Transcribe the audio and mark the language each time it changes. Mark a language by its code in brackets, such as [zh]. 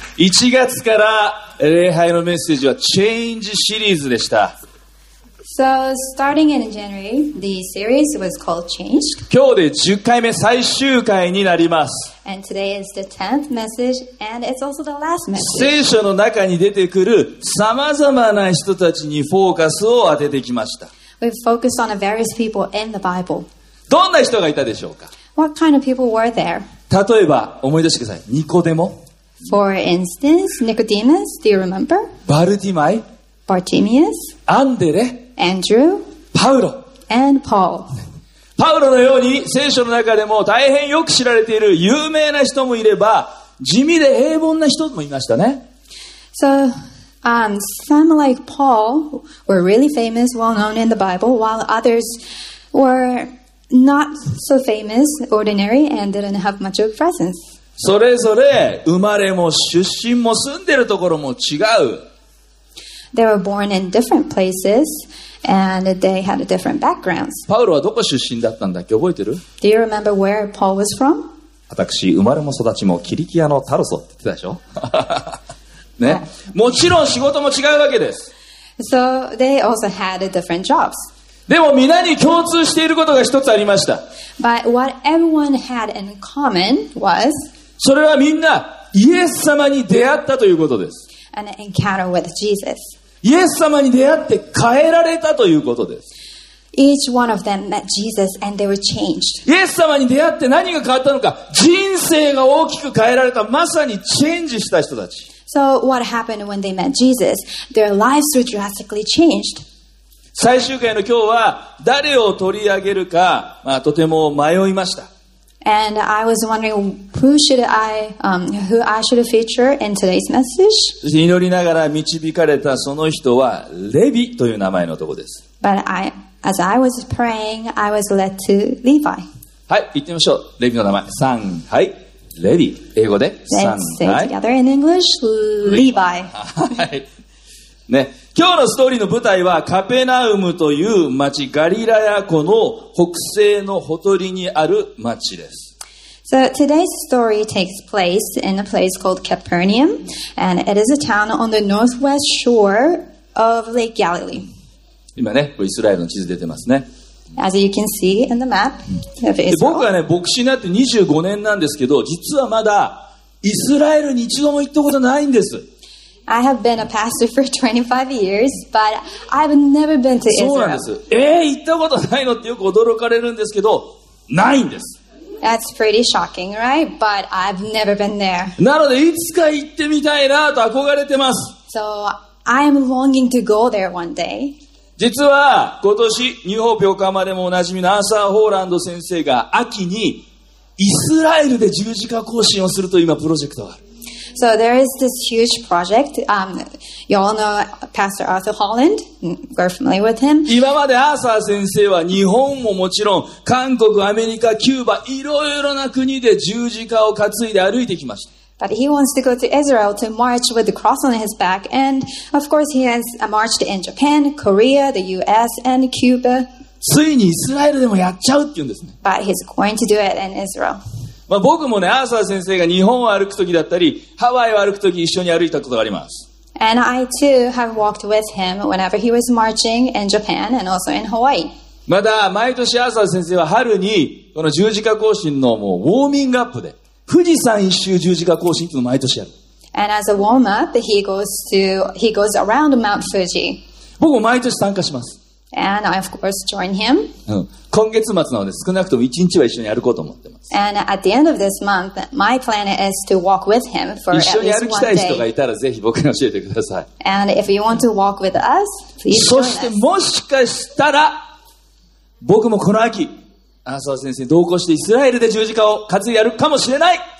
[ja] 1月から礼拝のメッセージはチェンジシリーズでした。 [en] So, starting in January, the series was called Changed. [ja] 今日で10回目最終回になります。 [en] And today is the 10th message, and it's also the last message. [ja] 聖書の中に出てくる様々な人たちにフォーカスを当ててきました。 [en] We've focused on various people in the Bible. [ja] どんな人がいたでしょうか? [en] What kind of people were there? [ja] 例えば、思い出してください。ニコデモ? [en] For instance, Nicodemus, do you remember? [ja] バルティマイ? [en] Bartimaeus? [ja] アンデレ? [en] Andrew, Paulo, and Paul. [ja] Paulo のように聖書の中でも大変よく知られている有名な人もいれば、地味で平凡な人もいましたね。 [en] So, some like Paul were really famous, well known in the Bible, while others were not so famous, ordinary, and didn't have much of a presence. [ja] それぞれ生まれも出身も住んでるところも違う。 [en] They were born in different places and they had a different backgrounds. [ja] パウロはどこ出身だったんだっけ覚えてる? [en] Do you remember where Paul was from? [ja] 私、生まれも育ちもキリキアのタルソって言ってたでしょ?ね。もちろん仕事も違うわけです。 [en] So they also had different jobs. [ja] でも皆に共通していることが一つありました。 [en] But what everyone had in common was [ja] それはみんなイエス様に出会ったということです。 [en] An encounter with Jesus. [ja] イエス様に出会って変えられたということです。 [en] Each one of them met Jesus and they were changed. [ja] イエス様に出会って何が変わったのか、人生が大きく変えられた、まさにチェンジした人たち。 [en] So what happened when they met Jesus? Their lives were drastically changed. [ja] 最終回の今日は誰を取り上げるか、まあ、とても迷いました。 [en] And I was wondering who should I, who I should feature in today's message. [ja] 祈りながら導かれたその人はレビという名前の男です。 [en] But I, as I was praying, I was led to Levi. [ja] はい、言ってみましょう。レビの名前。三、はい、レビ。英語で三、 [en] はい。Say together in English, Levi. [ja] はい。ね、今日のストーリーの舞台はカペナウムという町、ガリラヤ湖の北西のほとりにある町です。 [en] So today's story takes place in a place called Capernaum, and it is a town on the northwest shore of Lake Galilee. [ja] 今ね、イスラエルの地図出てますね。 [en] As you can see in the map of Israel. [ja] 僕はね、牧師になって25年なんですけど、実はまだイスラエルに一度も行ったことないんです。 [en] I have been a pastor for 25 years, but I've never been to Israel. [ja] そうなんです。行ったことないのってよく驚かれるんですけど、ないんです。 [en] That's pretty shocking, right? But I've never been there. [ja] なので、いつか行ってみたいなと憧れてます。 [en] So, I'm longing to go there one day. [ja] 実は、今年、ニューホープ横浜でもおなじみのアーサー・ホーランド先生が秋にイスラエルで十字架行進をするという今プロジェクトがある。 [en] So there is this huge project. You all know Pastor Arthur Holland. We're familiar with him. [ja] 今までアーサー先生は日本ももちろん韓国、アメリカ、キューバ、いろいろな国で十字架を担いで歩いてきました。 [en] But he wants to go to Israel to march with the cross on his back. And of course he has marched in Japan, Korea, the US, and Cuba. [ja] ついにイスラエルでもやっちゃうって言うんですね。 [en] But he's going to do it in Israel. [ja] まあ、僕もね、アーサー先生が日本を歩くときだったり、ハワイを歩くとき一緒に歩いたことがあります。 [en] And I too have walked with him whenever he was marching in Japan and also in Hawaii. [ja] まだ毎年アーサー先生は春にこの十字架行進のもうウォーミングアップで富士山一周十字架行進っていうのを毎年やる。 [en] And as a warm up, he goes around Mount Fuji. [ja] 僕も毎年参加します。 [en] And I of course join him. [ja] 今月末なので少なくとも1日は一緒に歩こうと思ってます。 [en] And at the end of this month, my plan is to walk with him for at least one day. [ja] 一緒に歩きたい人がいたらぜひ僕に教えてください。 [en] And if you want to walk with us, please join us. [ja] そしてもしかしたら僕もこの秋、アーサー先生に同行してイスラエルで十字架を担いやるかもしれない。